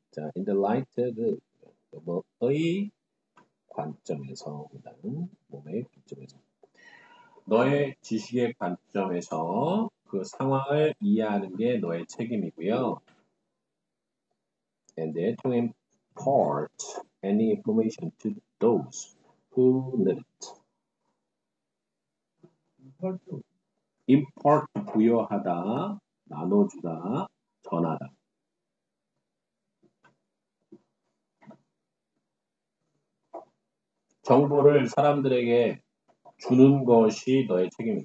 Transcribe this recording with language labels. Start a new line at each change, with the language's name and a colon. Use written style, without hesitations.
Korean: 자,
English: in the light of
Korean: 너의 관점에서, 그다음 몸의 관점에서. 너의 지식의 관점에서 그 상황을 이해하는 게 너의 책임이고요.
English: And then to impart any information to those who need it.
Korean: Impart, 부여하다, 나눠주다, 전하다. 정보를 사람들에게 주는 것이 너의 책임이야.